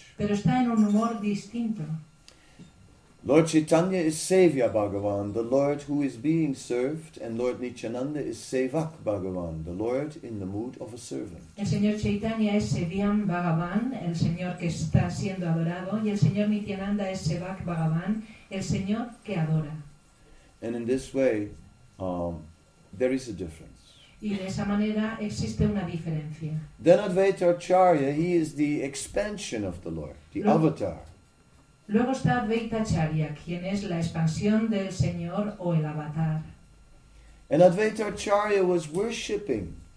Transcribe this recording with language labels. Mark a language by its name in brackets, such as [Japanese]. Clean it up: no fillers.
[Spanish] Pero está en un humor distinto. [English] Lord Chaitanya is Saviour Bhagavan, the Lord who is being served, and Lord Nityananda is Sevak Bhagavan, the Lord in the mood of a servant. [Spanish] El señor Chaitanya es Seviam Bhagavan, el señor que está siendo adorado, y el señor Nityananda es Sevak Bhagavan, el señor que adora. [English] And in this way, there is a difference. [Spanish] Y de esa manera existe una diferencia. [English] Then Advaita Acharya, he is the expansion of the Lord, the avatar. [Spanish] Luego está Advaita Acharya, quien es la expansión del Señor o el avatar. [English] And Advaita Acharya was worshipping